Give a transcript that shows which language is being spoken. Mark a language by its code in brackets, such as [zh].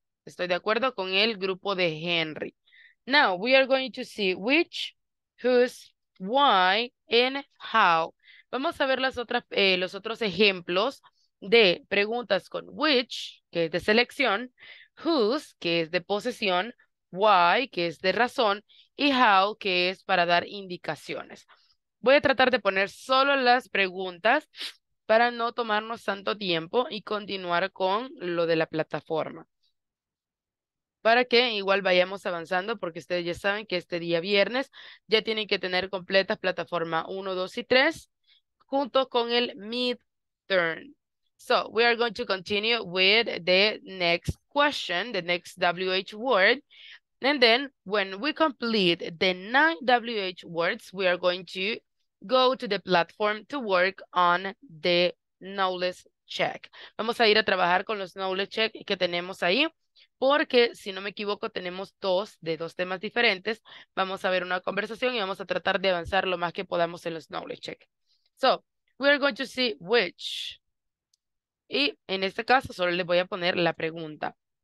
[es] Estoy de acuerdo con el grupo de Henry. [en] Now, we are going to see which, whose, why, and how. [es] Vamos a ver las otras, los otros ejemplos de preguntas con which, que es de selección, whose, que es de posesión, why, que es de razón, y how, que es para dar indicaciones. Voy a tratar de poner solo las preguntas para no tomarnos tanto tiempo y continuar con lo de la plataforma. Para que igual vayamos avanzando, porque ustedes ya saben que este día viernes ya tienen que tener completas plataforma 1, 2 y 3, junto con el midterm. [en] So, we are going to continue with the next question, the next WH word. And then, when we complete the 9 WH words, we are going to go to the platform to work on the knowledge check. [es] Vamos a ir a trabajar con los knowledge check que tenemos ahí. Porque, si no me equivoco, tenemos dos de dos temas diferentes. Vamos a ver una conversación y vamos a tratar de avanzar lo más que podamos en los knowledge check. [en] So, we are going to see which. [es] Y en este caso solo les voy a poner la pregunta.